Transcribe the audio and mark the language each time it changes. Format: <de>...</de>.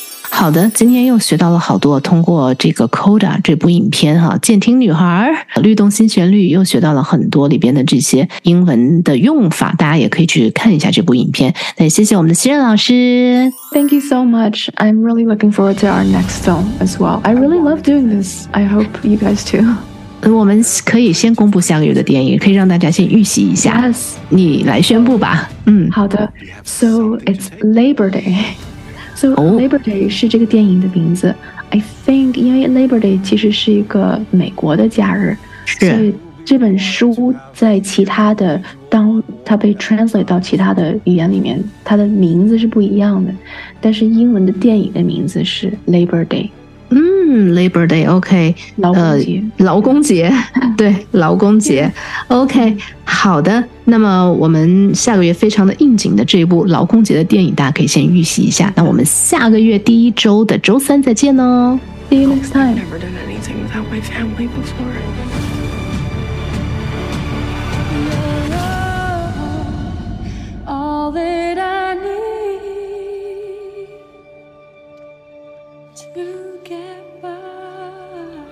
<zh>好的今天又学到了好多通过这个 Coda 这部影片哈健听女孩律动新旋律又学到了很多里边的这些英文的用法大家也可以去看一下这部影片那谢谢我们的熙韌老师</zh> <en>Thank you so much I'm really looking forward to our next film as well I really love doing this I hope you guys too</en> <zh>我们可以先公布下个月的电影可以让大家先预习一下</zh> <en>Yes</en> <zh>你来宣布吧嗯，好的</zh> <en>So it's Labor DaySo Labor Day</en> <zh>是这个电影的名字、</zh> <en>I think</en> <zh>因为 Labor Day 其实是一个美国的假日是所以这本书在其他的当它被 translate 到其他的语言里面它的名字是不一样的但是英文的电影的名字是 Labor Day</zh> <en>Labor Day OK</en> <zh>劳工节、劳工节对劳工节OK 好的那么我们下个月非常的应景的这一部劳工节的电影大家可以先预习一下那我们下个月第一周的周三再见哦</zh> <en>See you next time I've never done anything without my family before Your love All that I need To get by</en>